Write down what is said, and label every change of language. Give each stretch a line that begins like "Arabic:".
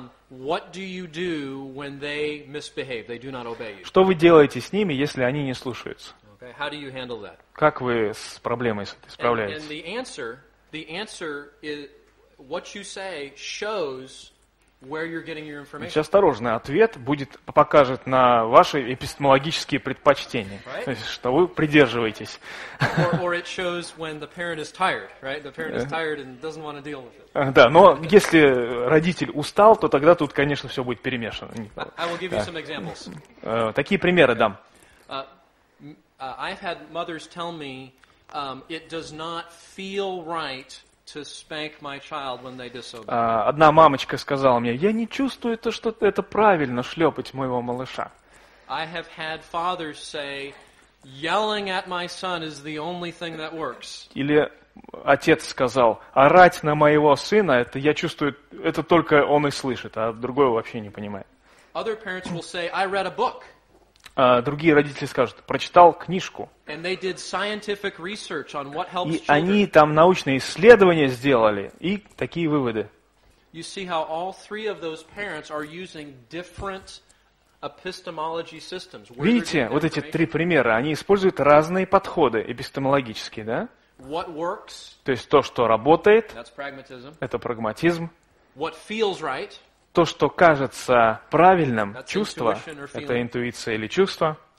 English: What do you do when they misbehave? They do not obey you.
Russian: Что вы делаете с ними, если они не слушаются?
English: Okay. How do you handle that?
Russian: Как вы с проблемой с этой справляетесь?
English: And the answer is what you say shows where you're getting your information.
Russian: Будьте осторожны, ответ будет, покажет на ваши эпистемологические предпочтения,
English: right?
Russian: То есть, что вы придерживаетесь.
English: Or it shows when the parent is tired, right? The parent is tired and doesn't want to deal with it.
Russian: Да, но если родитель устал, то тогда тут, конечно, все будет перемешано.
English: I will give you some examples.
Russian: Такие примеры дам.
English: I've had mothers tell me, it does not feel right to spank my child when they disobey.
Russian: Одна мамочка сказала мне: "Я не чувствую то, что это правильно шлепать моего малыша".
English: I have had fathers say, "Yelling at my son is the only thing that works".
Russian: Или отец сказал: "Орать на моего сына — это я чувствую, это только он и слышит, а другой вообще не понимает".
English: Other parents will say, "I read a book".
Russian: Другие родители скажут: прочитал книжку.
English: And they did scientific research on what helps children.
Russian: И они там научные исследования сделали, и такие выводы.
English: You see how all three of those parents are using different epistemology systems.
Russian: Видите, вот эти три примера, они используют разные подходы эпистемологические, да?
English: What works?
Russian: То есть то, что работает.
English: That's pragmatism.
Russian: Это прагматизм.
English: What feels right?
Russian: То, что кажется правильным, чувство, это интуиция или чувство.